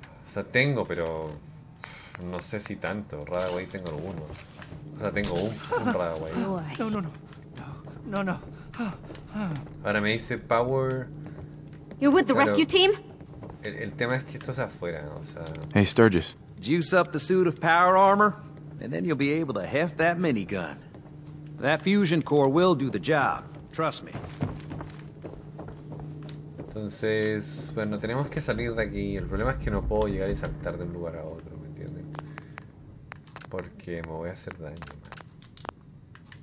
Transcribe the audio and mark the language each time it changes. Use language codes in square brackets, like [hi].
[es] O sea, tengo, pero no sé si tanto. Rara vez tengo alguno. O sea, tengo un Radaway. No. Ahora me dice power. [en] You're with the rescue team? [es] El tema es que esto es afuera, o sea. [en] Hey Sturgis, juice up the suit of power armor and then you'll be able to heft that minigun. That fusion core will do the job, trust me. [es] Entonces, bueno, tenemos que salir de aquí. El problema es que no puedo llegar y saltar de un lugar a otro. Porque me voy a hacer daño, man.